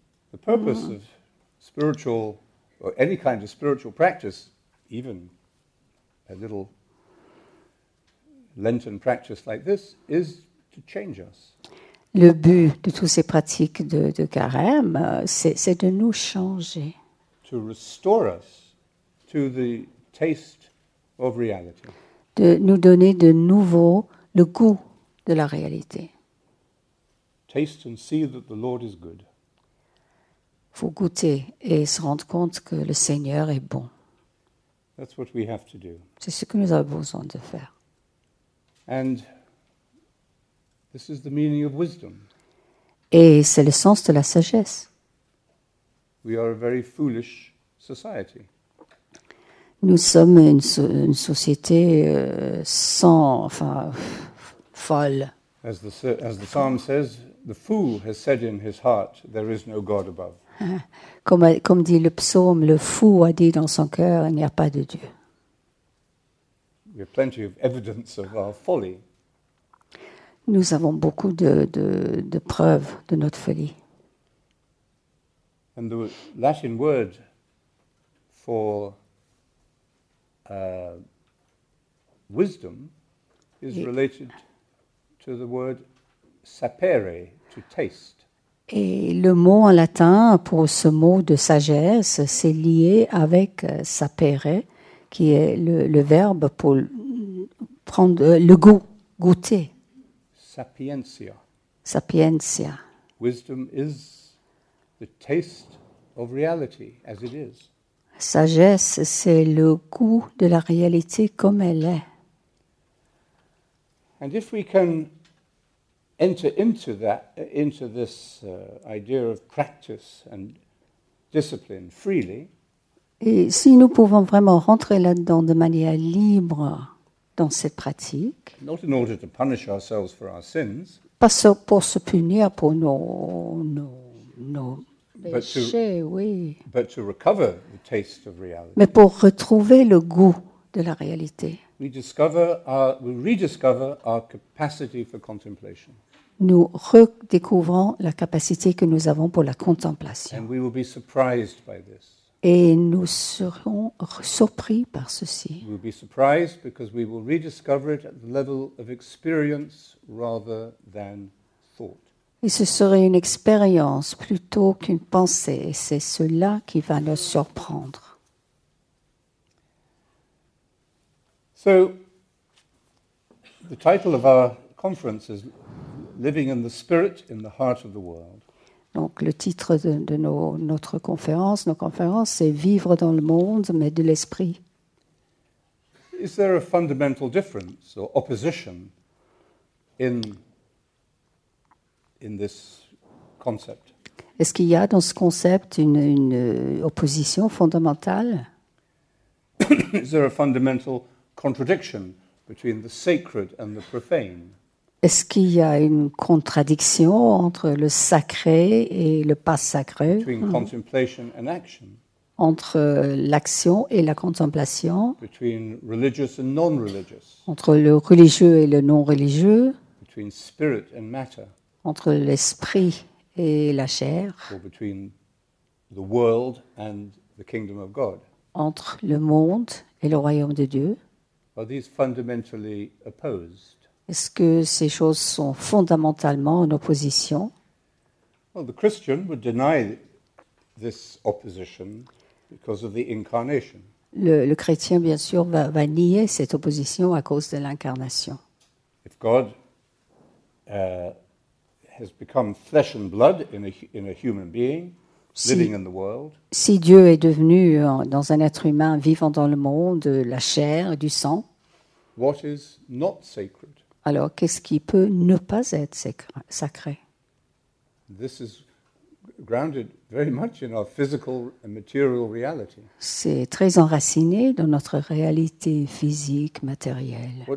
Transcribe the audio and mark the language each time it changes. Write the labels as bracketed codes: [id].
[en] The purpose of spiritual, or any kind of spiritual practice, even a little Lenten practice like this, is to to change us. [fr] Le but de toutes ces pratiques de carême, c'est de nous changer. [en] To restore us to the taste of reality. [fr] De nous donner de nouveau le goût de la réalité. [en] Taste and see that the Lord is good. [fr] Faut goûter et se rendre compte que le Seigneur est bon. [en] That's what we have to do. [fr] C'est ce que nous avons besoin de faire. [en] And this is the meaning of wisdom. [fr] Et c'est le sens de la sagesse. [en] We are a very foolish society. [fr] Nous sommes une société sans, enfin, folle. [en] As the psalm says, the fool has said in his heart, there is no God above. [fr] Comme dit le psaume, le fou a dit dans son cœur, il n'y a pas de Dieu. [en] We have plenty of evidence of our folly. [fr] Nous avons beaucoup de preuves de notre folie. [en] And the Latin word for wisdom is related to the word sapere, to taste. [fr] Et le mot en latin pour ce mot de sagesse, c'est lié avec sapere, qui est le verbe pour prendre le goût, goûter. [la] Sapientia. Sapientia. [en] Wisdom is the taste of reality as it is. [fr] Sagesse, c'est le goût de la réalité comme elle est. [en] And if we can enter into that, into this idea of practice and discipline freely. [fr] Et si nous pouvons vraiment rentrer là-dedans de manière libre dans cette pratique. [en] Not in order to punish ourselves for our sins. [fr] Pas pour se punir pour nos péchés, oui. [en] But to recover the taste of reality. [fr] Mais pour retrouver le goût de la réalité. [en] We rediscover our capacity for contemplation. [fr] Nous redécouvrons la capacité que nous avons pour la contemplation. [en] And we will be surprised by this. [fr] Et nous serons surpris par ceci. [en] We will be surprised because we will rediscover it at the level of experience rather than thought. [fr] Et ce serait une expérience plutôt qu'une pensée, et c'est cela qui va nous surprendre. [en] So, the title of our conference is Living in the Spirit in the Heart of the World. [fr] Donc, le titre de nos conférences, c'est Vivre dans le monde, mais de l'esprit. [en] Is there a fundamental difference or opposition in this concept? [fr] Est-ce qu'il y a dans ce concept une opposition fondamentale? [en] Is there a fundamental contradiction between the sacred and the profane? [fr] Est-ce qu'il y a une contradiction entre le sacré et le pas sacré? [en] Between contemplation and action. [fr] Entre l'action et la contemplation? [en] Between religious and non-religious. [fr] Entre le religieux et le non-religieux? [en] Between spirit and matter. [fr] Entre l'esprit et la chair? [en] Or between the world and the kingdom of God. [fr] Entre le monde et le royaume de Dieu? [en] Are these fundamentally opposed? [fr] Est-ce que ces choses sont fondamentalement en opposition? [en] Well, the Christian would deny this opposition because of the incarnation. [fr] Le chrétien, bien sûr, va nier cette opposition à cause de l'incarnation. [en] If God has become flesh and blood in a human being, living in the world. [fr] Si Dieu est devenu dans un être humain vivant dans le monde, la chair, du sang. [en] What is not sacred? [fr] Alors, qu'est-ce qui peut ne pas être sacré? [en] This is grounded very much in our physical and material reality. [fr] C'est très enraciné dans notre réalité physique, matérielle.